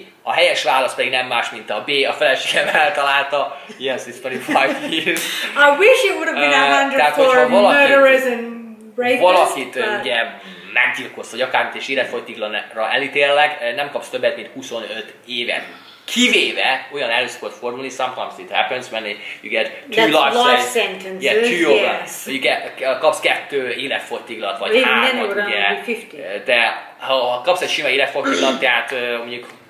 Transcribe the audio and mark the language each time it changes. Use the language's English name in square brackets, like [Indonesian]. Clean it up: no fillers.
[Hungarian] A helyes válasz pedig nem más, mint a B. A feleségem eltalálta, [English] yes, it's 25 years. I wish it would have been 100 for murderers and rapists. [Hungarian] Valakit, ugye, meggyilkozt, vagy akármit, és életfogytiglanra elítélek, nem kapsz többet, mint 25 évet. Kivéve olyan előszokott fordulni, [English] sometimes it happens when you get two life sentences, yeah, two yes. Over, you get, [Hungarian] kapsz kettő életfogytiglat, vagy hármat, ugye. De ha kapsz egy sima életfogytiglat, tehát mondjuk